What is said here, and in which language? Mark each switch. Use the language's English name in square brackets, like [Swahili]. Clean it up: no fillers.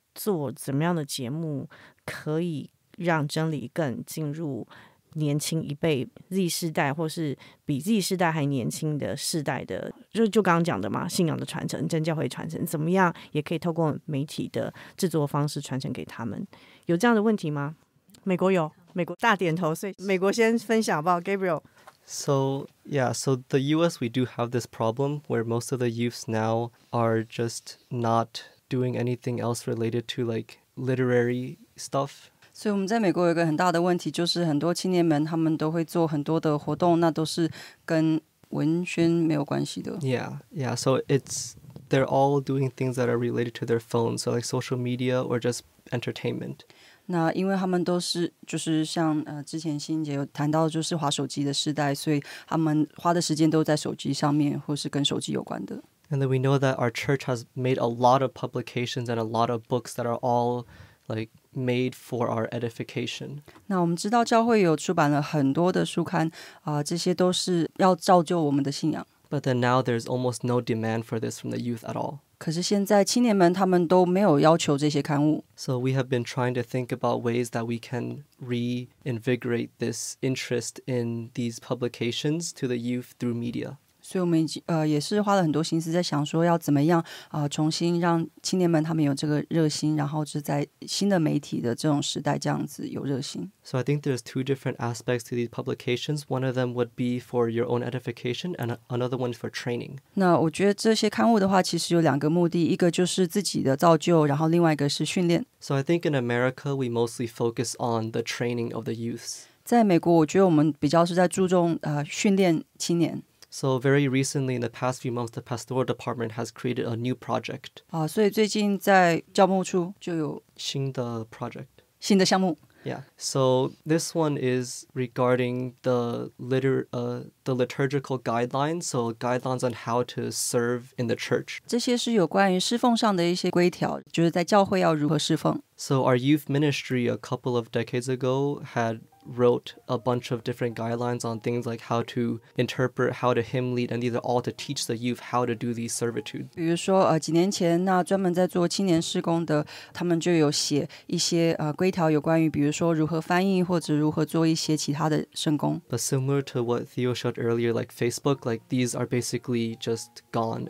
[Chinese] 做怎么样的节目可以让真理更进入年轻一辈 Z 世代或是比 Z 世代还年轻的世代的，就刚刚讲的嘛，信仰的传承，真教会传承，怎么样也可以透过媒体的制作方式传承给他们，有这样的问题吗？美国有，美国大点头，所以美国先分享好不好 Gabriel。 [English] So yeah, so the US we do have this problem where most of the youths now are just not doing anything else related to like literary stuff。 [Chinese] 所以我们在美国有一个很大的问题，就是很多青年们他们都会做很多的活动，那都是跟文宣没有关系的。 [English] Yeah, yeah, so it's they're all doing things that are related to their phones, so like social media or just entertainment. [Chinese] 那因为他们都是就是像之前欣姐有谈到就是滑手机的时代，所以他们花的时间都在手机上面或是跟手机有关的。 [English] And then we know that our church has made a lot of publications and a lot of books that are all like made for our edification. [Chinese] 那我们知道教会有出版了很多的书刊，这些都是要造就我们的信仰。 [English] But then now there's almost no demand for this from the youth at all. [Chinese] 可是现在青年们他们都没有要求这些刊物。 [English] So we have been trying to think about ways that we can reinvigorate this interest in these publications to the youth through media. [Chinese] 所以我们也是花了很多心思在想说要怎么样重新让青年们他们有这个热心，然后就在新的媒体的这种时代这样子有热心。 [English] So I think there's two different aspects to these publications. One of them would be for your own edification and another one for training. [Chinese] 那我觉得这些刊物的话其实有两个目的，一个就是自己的造就，然后另外一个是训练。 [English] So I think in America we mostly focus on the training of the youths. [Chinese] 在美国我觉得我们比较是在注重训练青年。 [English] So very recently, in the past few months, the pastoral department has created a new project. [Chinese] 所以最近在教牧处就有新的 project. 新的项目。 [English] Yeah. So this one is regarding the liturgical guidelines. So guidelines on how to serve in the church. [Chinese] 这些是有关于侍奉上的一些规条，就是在教会要如何侍奉。 [English] So our youth ministry a couple of decades ago had wrote a bunch of different guidelines on things like how to interpret, how to hymn lead, and these are all to teach the youth how to do these servitude. [Chinese] 比如说几年前那专门在做青年事工的他们就有写一些规条，有关于比如说如何翻译或者如何做一些其他的圣工。 [English] But similar to what Theo showed earlier, like Facebook, like these are basically just gone.